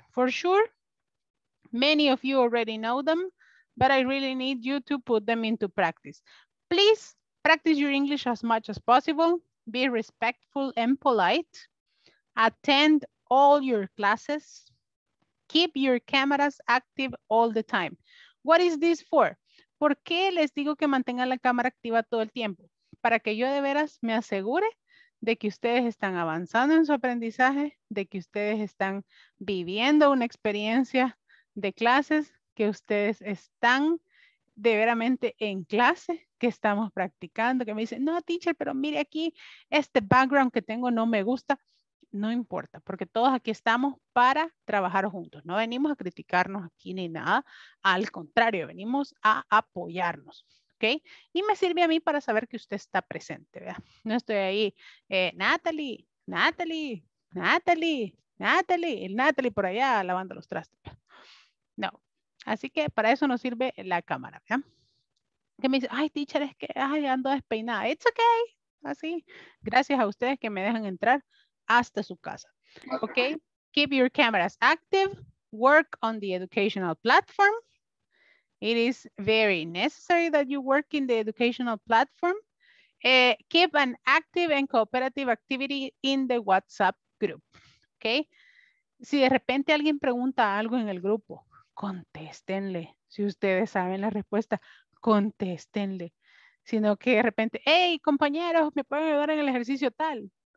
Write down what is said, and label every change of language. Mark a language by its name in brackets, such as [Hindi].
[English] For sure, many of you already know them, but I really need you to put them into practice. Please practice your English as much as possible. Be respectful and polite. Attend all your classes, keep your cameras active all the time. What is this for? [Spanish] ¿Por qué les digo que mantengan la cámara activa todo el tiempo? Para que yo de veras me asegure de que ustedes están avanzando en su aprendizaje, de que ustedes están viviendo una experiencia de clases, que ustedes están de veramente en clase, que estamos practicando, que me dicen, no, teacher, pero mire aquí, este background que tengo no me gusta. No importa, porque todos aquí estamos para trabajar juntos. No venimos a criticarnos aquí ni nada. Al contrario, venimos a apoyarnos. ¿Okay? Y me sirve a mí para saber que usted está presente, ¿verdad? No estoy ahí, Natalie por allá lavando los trastes. No. Así que para eso nos sirve la cámara, ¿verdad? Que me dice, ay, teacher, es que ay, ando despeinada. [English] It's okay. [Spanish] Así. Gracias a ustedes que me dejan entrar hasta su casa. [English] Okay, keep your cameras active, work on the educational platform. It is very necessary that you work in the educational platform. Keep an active and cooperative activity in the WhatsApp group. [Spanish] Okay, si de repente alguien pregunta algo en el grupo, contéstenle. Si ustedes saben la respuesta, contéstenle. Sino que de repente, hey, compañeros, ¿me pueden ayudar en el ejercicio tal?